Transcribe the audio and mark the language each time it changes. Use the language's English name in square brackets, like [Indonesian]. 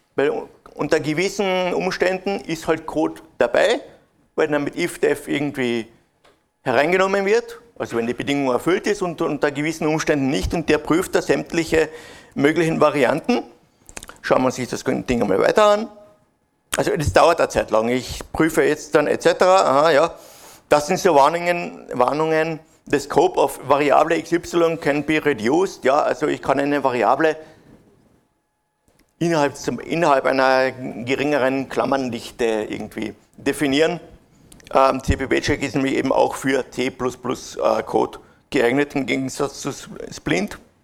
[German] Weil unter gewissen Umständen ist halt Code dabei, weil dann mit ifdef irgendwie hereingenommen wird, also wenn die Bedingung erfüllt ist und unter gewissen Umständen nicht, und der prüft da sämtliche möglichen Varianten. Schauen wir uns das Ding einmal weiter an. Also das dauert eine Zeit lang. Ich prüfe jetzt dann etc. Aha, ja. Das sind so Warnungen. [English] The scope of variable XY can be reduced. [German] Ja, also ich kann eine Variable innerhalb einer geringeren Klammerndichte irgendwie definieren. CPP-Check ist nämlich eben auch für C++-Code geeignet, im Gegensatz zu Splint.